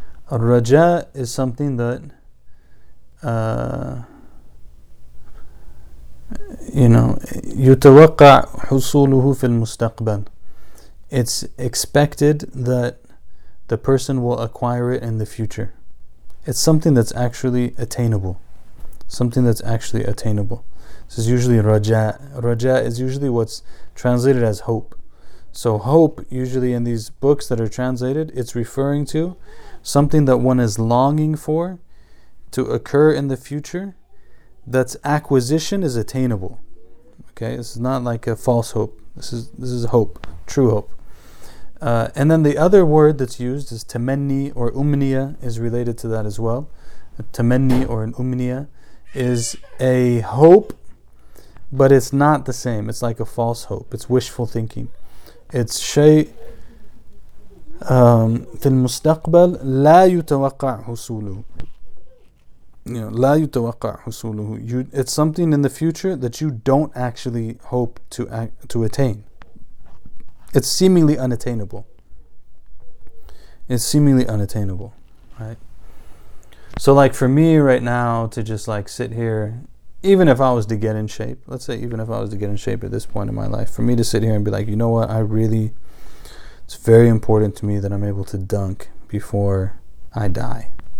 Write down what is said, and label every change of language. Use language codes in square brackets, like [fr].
[en] الرجاء is something that you know, [ar] يتوقع حصوله في المستقبل. [en] It's expected that the person will acquire it in the future. It's something that's actually attainable. Something that's actually attainable. This is usually رجاء. رجاء is usually what's translated as hope. So hope, usually in these books that are translated, it's referring to something that one is longing for to occur in the future, that's acquisition is attainable. Okay, this is not like a false hope. This is hope, true hope. And then the other word that's used is tamanni or umniya, is related to that as well. A tamanni or an umniya is a hope, but it's not the same. It's like a false hope. It's wishful thinking. It's [ar] شيء في المستقبل لا يتوقع حصوله. لا يتوقع حصوله. [en] It's something in the future that you don't actually hope to attain. It's seemingly unattainable. It's seemingly unattainable, right? So like for me right now to just like sit here, even if I was to get in shape, let's say even if I was to get in shape at this point in my life, for me to sit here and be like, you know what, it's very important to me that I'm able to dunk before I die.